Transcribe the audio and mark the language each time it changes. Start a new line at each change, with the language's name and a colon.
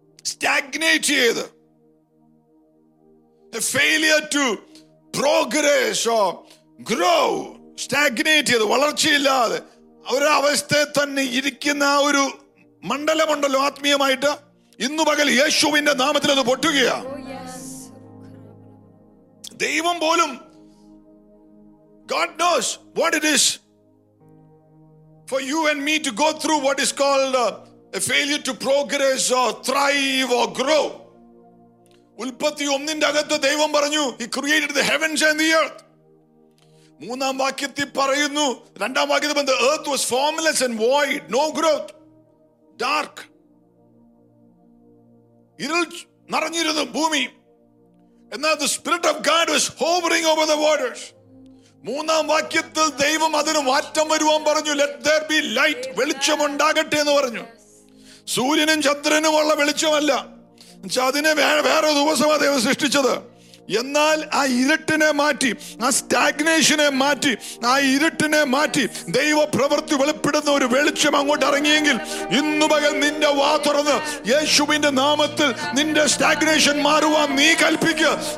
English: Stagnate
Malayalam: ചെയ്ത്
English: a failure to progress or grow.
Malayalam: Stagnate ചെയ്ത് വളർച്ചയില്ലാതെ ഒരവസ്ഥയിൽ തന്നെ ഇരിക്കുന്ന ആ ഒരു മണ്ഡലമുണ്ടല്ലോ ആത്മീയമായിട്ട്, ഇന്നു പകൽ യേശുവിന്റെ നാമത്തിൽ അത് പൊട്ടുകയാ. ദൈവം പോലും,
English: God knows what it is for you and me to go through what is called a failure to progress or thrive or grow.
Malayalam: ഉൽപ്പത്തി 1 അകത്ത് ദൈവം പറഞ്ഞു,
English: He created the heavens and the earth.
Malayalam: 3 പറയുന്നു, 2 പറഞ്ഞു,
English: The earth was formless and void, no growth.
Malayalam: Dark. ഇരുൾ നിറഞ്ഞിരുന്നു ഭൂമി.
English: And now the Spirit of God was hovering over the waters.
Malayalam: മൂന്നാം വാക്യത്തിൽ ദൈവം അതിന് മാറ്റം വരുവാൻ പറഞ്ഞു.
English: Let there be light,
Malayalam: വെളിച്ചം ഉണ്ടാകട്ടെ എന്ന് പറഞ്ഞു. സൂര്യനും ചന്ദ്രനും ഉള്ള വെളിച്ചമല്ല, അതിനെ വേറെ ദിവസമാണ് ദൈവം സൃഷ്ടിച്ചത്. എന്നാൽ ആ ഇരുട്ടിനെ മാറ്റി, ആ സ്റ്റാഗ്നേഷനെ മാറ്റി, ആ ഇരുട്ടിനെ മാറ്റി ദൈവ പ്രവൃത്തി വെളിപ്പെടുന്ന ഒരു വെളിച്ചം അങ്ങോട്ട് ഇറങ്ങിയെങ്കിൽ ഇന്നു പകൽ നിന്റെ വാ തുറന്ന് യേശുവിന്റെ നാമത്തിൽ നിന്റെ സ്റ്റാഗ്നേഷൻ മാറുവാൻ നീ കൽപ്പിക്കുക.